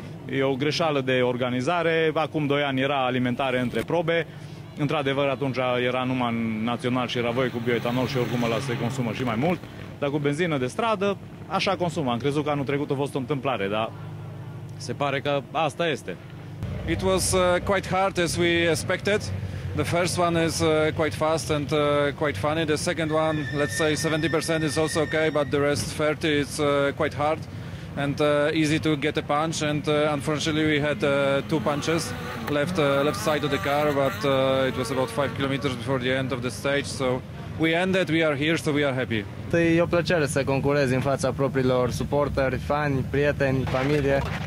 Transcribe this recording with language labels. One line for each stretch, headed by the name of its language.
Romanian: E o greșeală de organizare, acum 2 ani era alimentare între probe. Într-adevăr, atunci era numai în național și era voie cu bioetanol și oricum ăla se consumă și mai mult. Dar cu benzină de stradă, așa consumă. Am crezut că anul trecut a fost o întâmplare, dar se pare că asta este.
English: It was quite hard as we expected. The first one is quite fast and quite funny. The second one, let's say 70% is also okay, but the rest 30 it's quite hard and easy to get a punch. And unfortunately we had two punches left side of the car, but it was about 5 kilometers before the end of the stage. So we ended, we are here, so we are happy.
Romanian: E o plăcere să concurez în fața propriilor suporteri, fani, prieteni, familie.